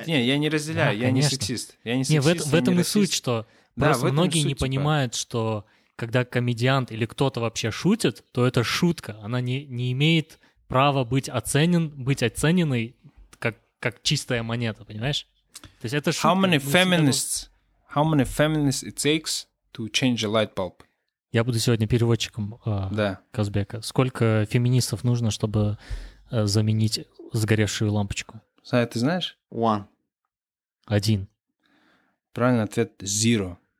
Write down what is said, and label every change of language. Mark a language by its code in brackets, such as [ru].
[ru] Нет, нет, я не разделяю, да, я конечно. Не сексист. Я не сексист, нет, в этом не и суть, что да, просто многие суть, не типа... понимают, что когда комедиант или кто-то вообще шутит, то это шутка, она не имеет права быть оцененной как чистая монета, понимаешь? То есть это шутка. [en] How many feminists, it takes to change a light bulb? [ru] Я буду сегодня переводчиком Казбека. Сколько феминистов нужно, чтобы заменить сгоревшую лампочку? Сай, ты знаешь? [en] One. [ru] Один. Правильный ответ — [en] zero.